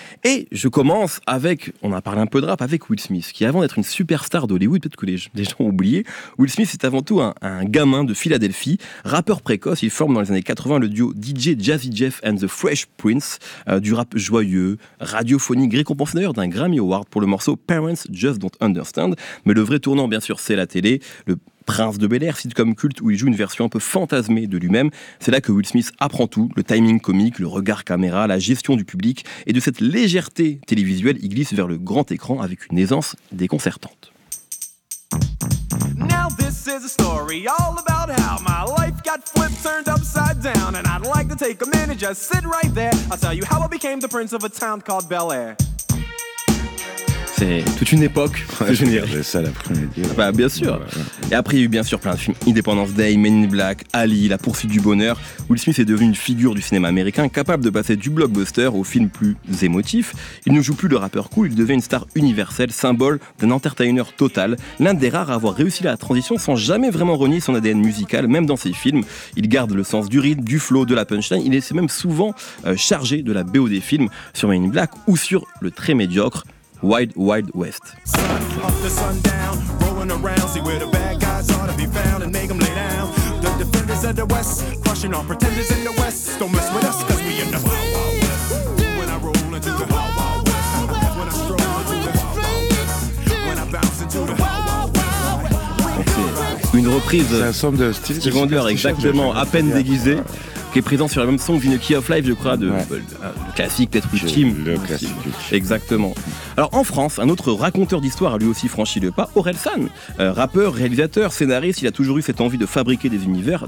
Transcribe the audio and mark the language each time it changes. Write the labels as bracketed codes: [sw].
[fr] Et je commence avec, on a parlé un peu de rap, avec Will Smith, qui avant d'être une superstar d'Hollywood, peut-être que les gens ont oublié, Will Smith est avant tout un gamin de Philadelphie, rappeur précoce, il forme dans les années 80 le duo DJ Jazzy Jeff and the Fresh Prince, du rap joyeux, radiophonique, récompensé d'ailleurs d'un Grammy Award pour le morceau Parents Just Don't Understand, mais le vrai tournant bien sûr c'est la télé, le Prince de Bel-Air, sitcom culte où il joue une version un peu fantasmée de lui-même. C'est là que Will Smith apprend tout, le timing comique, le regard caméra, la gestion du public. Et de cette légèreté télévisuelle, il glisse vers le grand écran avec une aisance déconcertante. [en] Now this is a story all about how my life got flipped, turned upside down. And I'd like to take a minute, just sit right there. I'll tell you how I became the prince of a town called Bel-Air. [fr] C'est toute une époque. Ouais, je regardais ça l'après-midi. Bah, bien sûr. Et après, il y a eu bien sûr plein de films. Independence Day, Men in Black, Ali, La Poursuite du Bonheur. Will Smith est devenu une figure du cinéma américain capable de passer du blockbuster au film plus émotif. Il ne joue plus le rappeur cool, il devient une star universelle, symbole d'un entertainer total. L'un des rares à avoir réussi la transition sans jamais vraiment renier son ADN musical, même dans ses films. Il garde le sens du rythme, du flow, de la punchline. Il est même souvent chargé de la BO des films sur Men in Black ou sur le très médiocre Wild Wild West. [en] Sun up to sundown, rolling around, see where the bad guys ought to be found and make them lay down. The defenders of the West, crushing all pretenders in the West. Don't mess with us, cause we in the Wild Wild West. When I roll into the Wild Wild West, when I stroll into the Wild Wild West, when I bounce into the Wild Wild West. [fr] Une reprise de Steve Wonder, exactement, à peine déguisé. Qui est présent sur le même son que Key of Life, je crois, de le classique, peut-être ultime. Le classique. Exactement. Alors en France, un autre raconteur d'histoire a lui aussi franchi le pas, Aurel San. Rappeur, réalisateur, scénariste, il a toujours eu cette envie de fabriquer des univers.